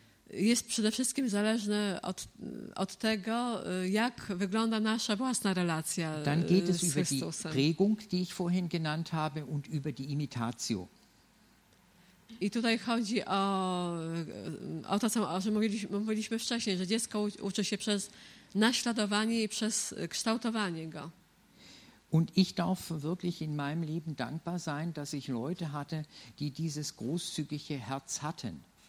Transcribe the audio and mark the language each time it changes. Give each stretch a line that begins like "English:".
Polish: jest przede wszystkim zależne od tego, jak wygląda nasza własna relacja z
German: Chrystusem. Dann geht es über die Prägung, die ich vorhin genannt habe, und über die Imitatio.
Polish: I tutaj chodzi o to, co mówiliśmy wcześniej, że dziecko uczy się przez naśladowanie i przez kształtowanie go.
German: Und ich darf wirklich in meinem Leben dankbar sein, dass ich Leute hatte, die dieses großzügige Herz hatten.